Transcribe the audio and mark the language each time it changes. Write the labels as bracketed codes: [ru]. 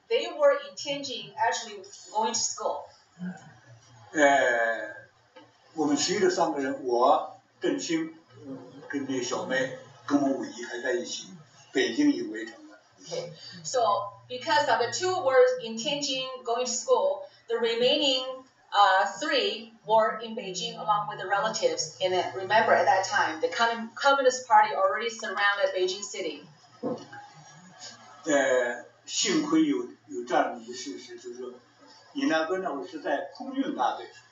[en] They were in Tianjin, actually going to school. [zh] 我们其余的三个人，我、邓青、跟那小妹、跟武夷还在一起，北京已围城了。 [en] Okay. So because of the two were in Tianjin going to school, the remaining three were in Beijing along with the relatives. And then remember at that time, the Communist Party already surrounded Beijing city. [zh] 幸亏有这样的一个事实，就是你那边呢，我是在空军大队。